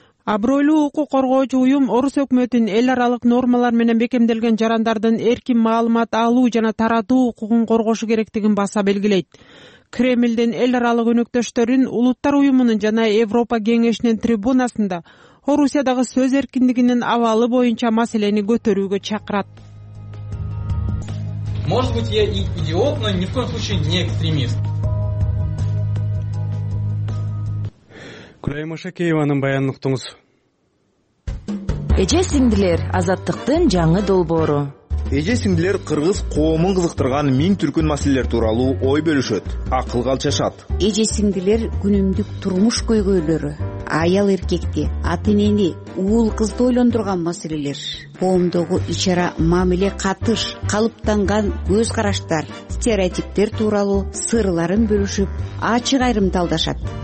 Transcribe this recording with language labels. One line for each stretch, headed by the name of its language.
Kyrgyz: Абройлуу укук коргоочу уюм орус өкмөтүн эл аралык нормалар менен бекемделген жарандардын эркин маалымат алуу жана таратуу укугун коргошу керектигин баса белгилейт. Кремльдин эл аралык өнөктөштөрүн улуттар уюмунун жана Европа кеңешинин трибунасында Орусиядагы сөз эркиндигинин абалы боюнча маселени көтөрүүгө чакырат.
Russian: Может быть, я и идиот, но ни в коем случае не экстремист.
Kyrgyz: Күлайым Ашакееванын баянын уктуңуз. Эже сиңдилер, азаттыктын жаңы долбоору. Эже сиңдилер кыргыз коомун кызыктырган миң түркүн маселелер тууралуу ой бөлүшөт, акыл калчашат. Эже сиңдилер күнүмдүк турмуш көйгөйлөрү, аял эркекти, ата энени, уул кызды ойлондурган маселелер, коомдогу ич ара мамиле катыш, калыптанган көз караштар, стереотиптер тууралуу сырларын бөлүшүп, ачык айрымталдашат.